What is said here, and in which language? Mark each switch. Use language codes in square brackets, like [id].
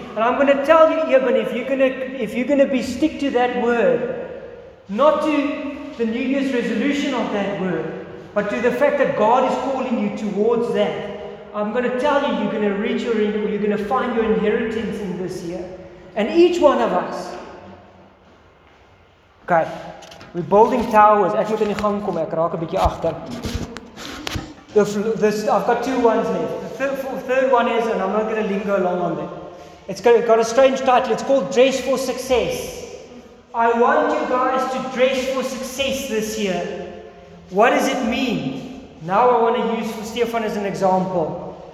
[en] And I'm going to tell you, Eben, if you're going to be stick to that word, not to the New Year's resolution of that word, but to the fact that God is calling you towards that, I'm going to tell you, you're going to reach your, you're going to find your inheritance in this year. And each one of us, okay, we're building towers. [af] Ek moet in die gang kom, ek raak 'n bietjie agter. [en] I've got two ones left. Third one is, and I'm not going to linger long on that. It's got a strange title. It's called Dress for Success. I want you guys to dress for success this year. What does it mean? Now I want to use for Stefan as an example.